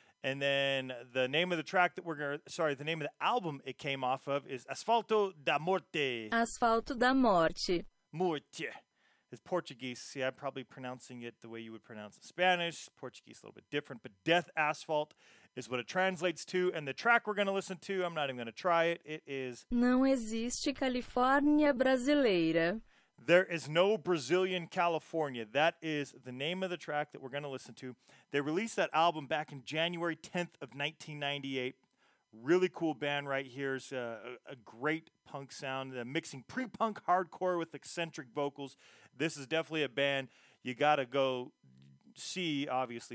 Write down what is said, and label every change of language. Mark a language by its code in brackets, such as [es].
[en] And then the name of the track that we're going to... Sorry, the name of the album it came off of is Asfalto da Morte. [pt] Asfalto da Morte. [en] Morte. It's Portuguese. See, I'm probably pronouncing it the way you would pronounce it. Spanish, Portuguese, a little bit different. But Death Asphalt is what it translates to. And the track we're going to listen to, I'm not even going to try it. It is... [pt] Não existe California brasileira. [en] There is no Brazilian California. That is the name of the track that we're going to listen to. They released that album back in January 10th of 1998. Really cool band right here. It's a great punk sound. They're mixing pre-punk hardcore with eccentric vocals. This is definitely a band you got to go see, obviously.